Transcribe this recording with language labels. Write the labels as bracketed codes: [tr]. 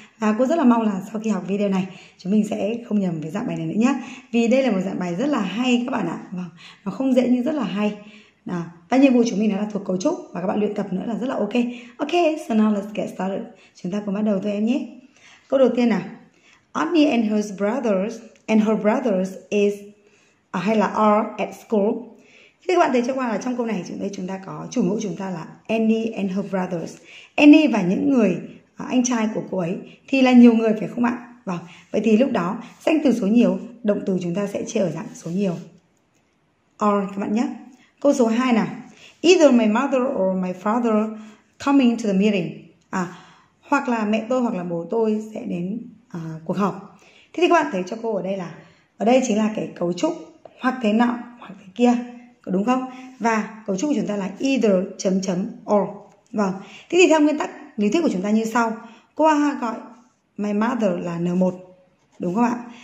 [vi] Và cô rất là mong là sau khi học video này, chúng mình sẽ không nhầm về dạng bài này nữa nhé. Vì đây là một dạng bài rất là hay các bạn ạ. Vâng, nó không dễ nhưng rất là hay. Nào, và nhiệm vụ chúng mình là thuộc cấu trúc và các bạn luyện tập nữa là rất là ok. [en] Ok, so now let's get started. [vi] Chúng ta cùng bắt đầu thôi em nhé. Câu đầu tiên nào. [en] Annie and her brothers is [vi] hay là [en] are at school. [vi] Thì các bạn thấy cho qua là trong câu này chúng đây chúng ta có chủ ngữ chúng ta là Annie and her brothers. Annie và những người anh trai của cô ấy thì là nhiều người phải không ạ? Vâng. Vậy thì lúc đó danh từ số nhiều, động từ chúng ta sẽ chia ở dạng số nhiều. Are các bạn nhé. Câu số 2 nào. [en] Either my mother or my father coming to the meeting. [vi] À, hoặc là mẹ tôi hoặc là bố tôi sẽ đến cuộc họp. Thế thì các bạn thấy cho cô ở đây là ở đây chính là cái cấu trúc hoặc thế nào hoặc thế kia, có đúng không? Và cấu trúc của chúng ta là either chấm chấm or. Vâng. Thế thì theo nguyên tắc lý thuyết của chúng ta như sau. Cô A gọi my mother là N1, đúng không ạ?